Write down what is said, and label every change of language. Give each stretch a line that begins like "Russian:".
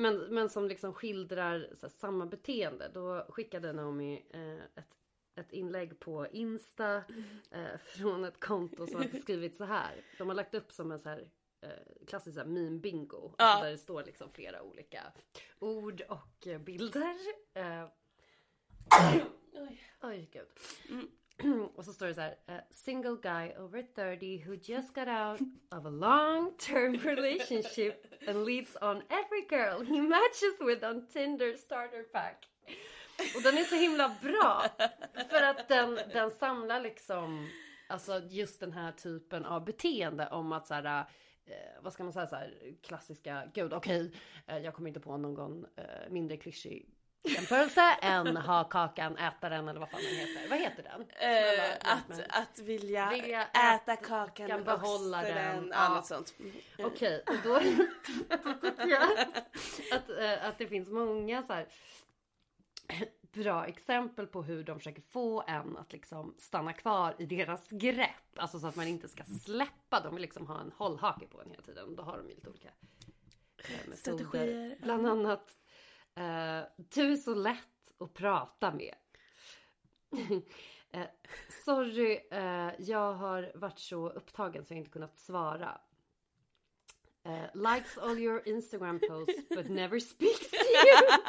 Swedish: Men som liksom skildrar så här, samma beteende. Då skickade Naomi ett inlägg på Insta från ett konto som har skrivit så här. De har lagt upp som en så här klassiskt såhär meme bingo, ja. Alltså där det står liksom flera olika ord och bilder. Oj, gud.
English: Och så står det så här: a single guy over 30 who just got out of a long-term relationship and leads on every girl he matches with on Tinder starter pack.
Swedish: Och den är så himla bra för att den samlar liksom, alltså just den här typen av beteende om att så här, vad ska man säga, så här, klassiska, gud okej, jag kommer inte på någon mindre klyschig jämförelse än ha kakan, äta den, eller vad fan den heter. Vad heter den? Att vilja äta kakan och behålla den. Ja. Något sånt. Okej, och då tycker jag att det finns många så här bra exempel på hur de försöker få en att liksom stanna kvar i deras grepp. Alltså så att man inte ska släppa. De vill liksom ha en hållhake på en hela tiden. Då har de ju lite olika strategier. Bland annat du är så lätt att prata med. Sorry, jag har varit så upptagen så jag inte kunnat svara.
English: Likes all your Instagram posts but never speaks to you.